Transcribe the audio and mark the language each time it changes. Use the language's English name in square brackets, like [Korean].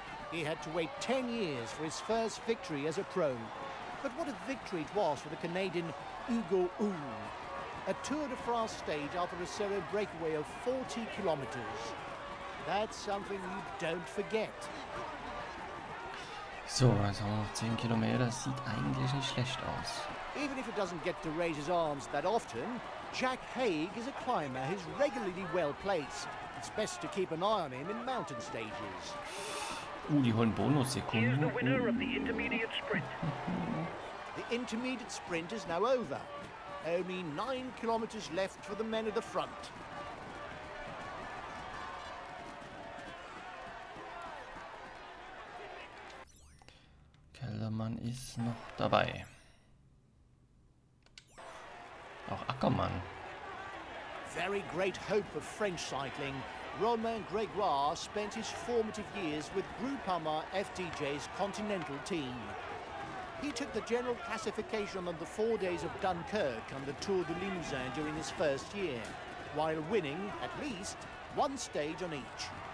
[English] He had to wait 10 years for his first victory as a pro. But what a victory it was for the Canadian Hugo Hull. A Tour de France stage after a solo breakaway of 40 kilometers. That's something you don't forget. [German] So, jetzt haben wir noch 10 Kilometer. Sieht eigentlich nicht schlecht aus. [English] Even if he doesn't get to raise his arms that often, Jack Haig is a climber who's regularly well placed. It's best to keep an eye on him in mountain stages. [German] Die holen Bonussekunden. [English] Here's the winner of the intermediate sprint. The intermediate sprint is now over. Only 9 kilometers left for the men at the front. [German] Kellermann ist noch dabei. Auch Ackermann. [English] Very great hope of French cycling. Romain Grégoire spent his formative years with Groupama FDJ's Continental team. He took the general classification on the 4 days of Dunkirk and the Tour de Limousin during his first year, while winning at least one stage on each.